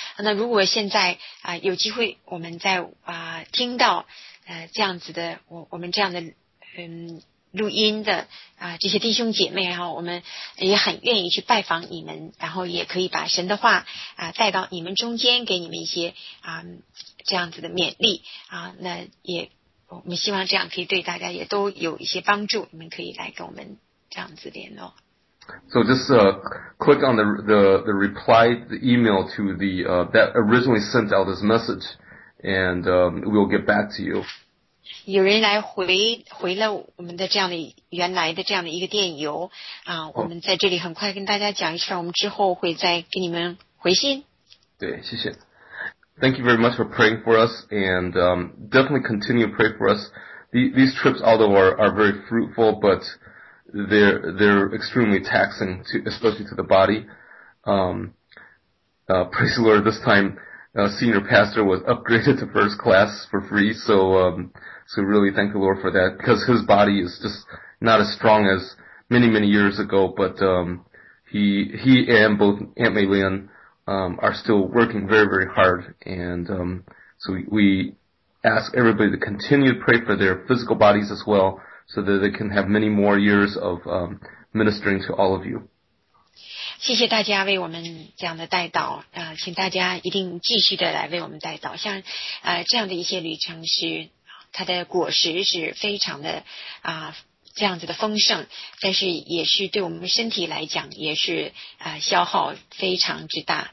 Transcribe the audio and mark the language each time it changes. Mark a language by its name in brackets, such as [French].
[Chinese] 那如果现在有机会我们在听到这样子的我们这样的录音的这些弟兄姐妹，然后我们也很愿意去拜访你们，然后也可以把神的话带到你们中间，给你们一些这样子的勉励那也我们希望这样可以对大家也都有一些帮助，你们可以来跟我们这样子联络。 [English] So just click on the reply, the email to the that originally sent out this message, and we'll get back to you. [Chinese] 有人来回了我们的这样的原来的这样的一个电邮我们在这里很快跟大家讲一下，我们之后会再给你们回信。对，谢谢。 [English] Thank you very much for praying for us, and definitely continue to pray for us. These trips, although are very fruitful, but... They're extremely taxing, especially to the body. Praise the Lord, this time, senior pastor was upgraded to first class for free, so really thank the Lord for that, because his body is just not as strong as many, many years ago, but, he and both Aunt May Lian, are still working very, very hard, and, so we ask everybody to continue to pray for their physical bodies as well,so that they can have many more years of ministering to all of you. [Chinese] 谢谢大家为我们这样的带导请大家一定继续的来为我们带导，像这样的一些旅程是它的果实是非常的这样子的丰盛，但是也是对我们身体来讲也是消耗非常之大。